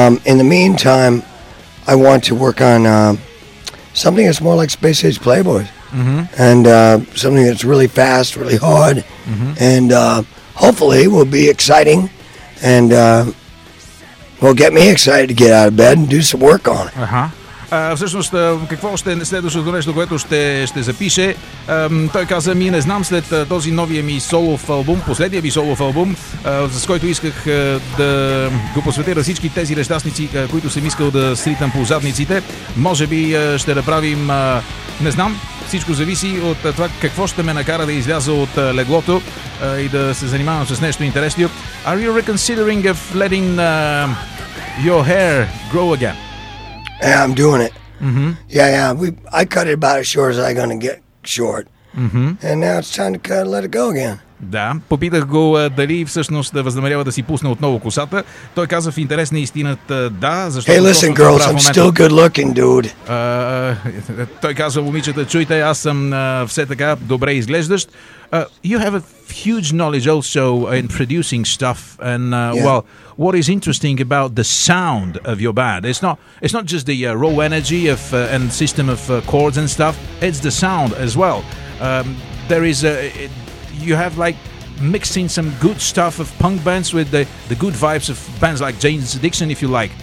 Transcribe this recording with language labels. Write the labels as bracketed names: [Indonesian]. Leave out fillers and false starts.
[English] In the meantime, I want to work on something that's more like Space Age Playboys. And something that's really fast, really hard. And hopefully will be exciting. And will get me excited to get out of bed and do some work on it. [Bulgarian] Всъщност, какво ще е следващото нещо, което ще запише? Той каза, ми не знам, след този новия ми солов албум, последния ми солов албум, с който исках да го посветя всички тези нещастници, които съм искал да сритам по задниците. Може би ще направим, не знам, всичко зависи от това какво ще ме накара да изляза от леглото и да се занимавам с нещо интересно. [English] Are you reconsidering of letting your hair grow again? Yeah, I'm doing it. Yeah. I cut it about as short as I'm gonna get short. And now it's time to cut and let it go again. [Bulgarian] Да, попитах го дали всъщност възнамерява да си пусне отново косата. Той каза в интерес на истината да, защото... [English] Hey, listen, girls, I'm still good looking, dude. [Bulgarian] Той казва, момичета, чуйте, аз съм все така добре изглеждащ. [English] You have a huge knowledge also in producing stuff. And, well, what is interesting about the sound of your band? It's not just the raw energy of and system of chords and stuff. It's the sound as well. There is a... You have like mixing some good stuff of punk bands with the good vibes of bands like Jane's Addiction, if you like.